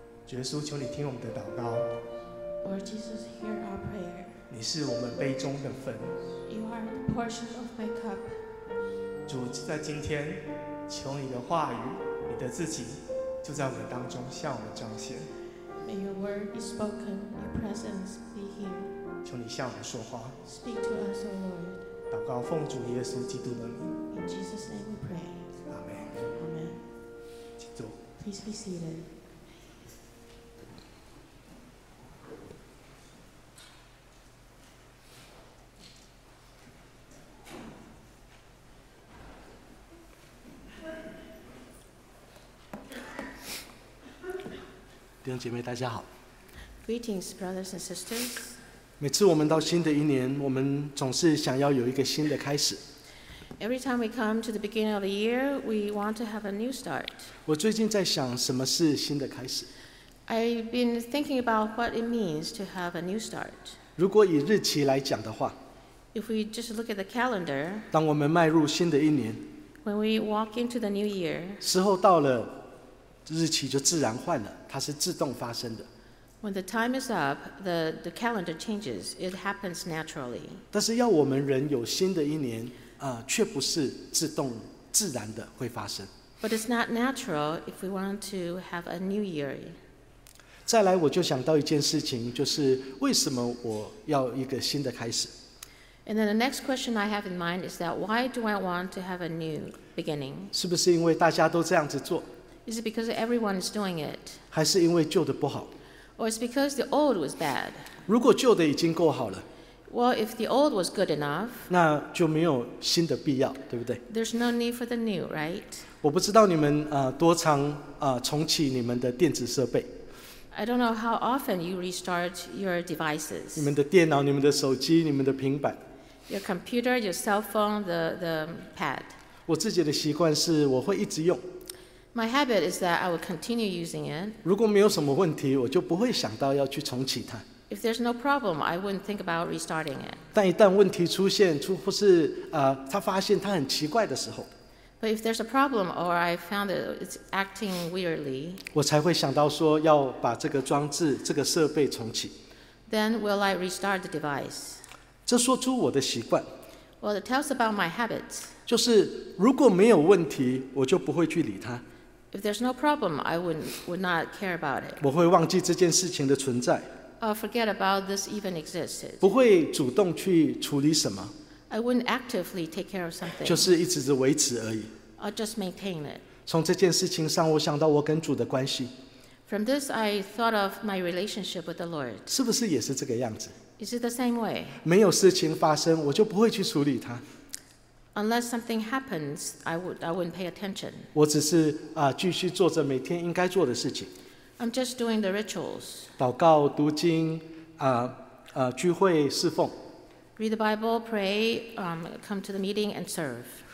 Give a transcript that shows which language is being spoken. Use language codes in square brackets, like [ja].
[zh] 耶稣，求你听我们的祷告。 [en] Lord Jesus, hear our prayer. [zh] 你是我们杯中的份。 [en] You are the portion of my cup. [zh] 主，在今天，求你的话语，你的自己，就在我们当中向我们彰显。 [en] May your word be spoken, your presence be here. [zh] 求你向我们说话。 [en] Speak to us, O Lord. [zh] 祷告奉主耶稣基督的名。 [en] In Jesus' name we pray. Amen. Amen. [zh] 请坐。 [en] Please be seated. [zh] 弟兄姐妹大家好。 [en] Greetings, brothers and sisters. [zh] 每次我们到新的一年，我们总是想要有一个新的开始。 [en] Every time we come to the beginning of the year, we want to have a new start. [zh] 我最近在想什么是新的开始。 [en] I've been thinking about what it means to have a new start. [zh] 如果以日期来讲的话， [en] If we just look at the calendar, [zh] 当我们迈入新的一年， [en] When we walk into the new year, [zh] 时候到了，日期就自然换了，它是自动发生的。 [en] When the time is up, the calendar changes. It happens naturally. [zh] 但是要我们人有新的一年，却不是自动自然的会发生。 [en] But it's not natural if we want to have a new year. [zh] 再来，我就想到一件事情，就是为什么我要一个新的开始。 [en] And then the next question I have in mind is that why do I want to have a new beginning? [zh] 是不是因为大家都这样子做？ [en] Is it because everyone is doing it? [zh] 还是因为旧的不好？ [en] Or it's because the old was bad? [zh] 如果旧的已经够好了， [en] Well, if the old was good enough, [zh] 那就没有新的必要，对不对？ [en] There's no need for the new, right? [zh] 我不知道你们多长重启你们的电子设备。 [en] I don't know how often you restart your devices. [zh] 你们的电脑、你们的手机、你们的平板。 [en] Your computer, your cell phone, the pad. [zh] 我自己的习惯是我会一直用。 [en] My habit is that I will continue using it. [zh] 如果没有什么问题，我就不会想到要去重启它。 [en] If there's no problem, I wouldn't think about restarting it. [zh] 但一旦问题出现，或是他发现他很奇怪的时候， [en] But if there's a problem or I found that it's acting weirdly, [zh] 我才会想到说要把这个装置、这个设备重启。 [en] Then will I restart the device? [zh] 这说出我的习惯。 [en] Well, it tells about my habits. [zh] 就是如果没有问题，我就不会去理它。 [en] If there's no problem, I would not care about it. [zh] 我会忘记这件事情的存在。 [en] I'll forget about this even existed. [zh] 不会主动去处理什么。 [en] I wouldn't actively take care of something. [zh] 就是一直的维持而已。 [en] I'll just maintain it. [zh] 从这件事情上，我想到我跟主的关系。 [en] From this, I thought of my relationship with the Lord. [zh] 是不是也是这个样子？ [en] Is it the same way? [zh] 没有事情发生，我就不会去处理它。 [en] Unless something happens, I wouldn't pay attention. [zh] 我只是继续做着每天应该做的事情。 [en] I'm just doing the rituals. [zh] 祷告、读经、聚会、侍奉。 [en] Read the Bible, pray, come to the meeting and serve.